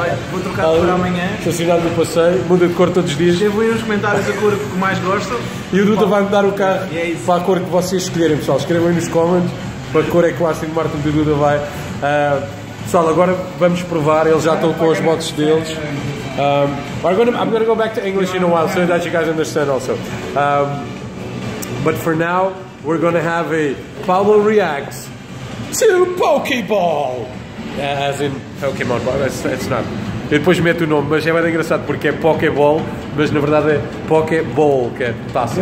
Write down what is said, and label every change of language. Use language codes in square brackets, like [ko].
[pt] Vou trocar por amanhã. Estacionado no passeio, muda de cor todos os dias. Devo ir nos comentários a cor que mais gosto. E o Duda vai mudar o carro para a cor que vocês escolherem, pessoal. Escrevam aí nos comments para a cor é que o Aston Martin do Duda vai. Pessoal, agora vamos provar, eles já estão com as motos deles. [en] I'm going to go back to English in a while so that you guys understand also. But for now, we're going to have a Paulo reacts to Pokeball. As in Pokémon, it's not. [pt] E depois mete o nome, mas é bem engraçado porque é Pokéball, mas na verdade é Pokéball, que é passa.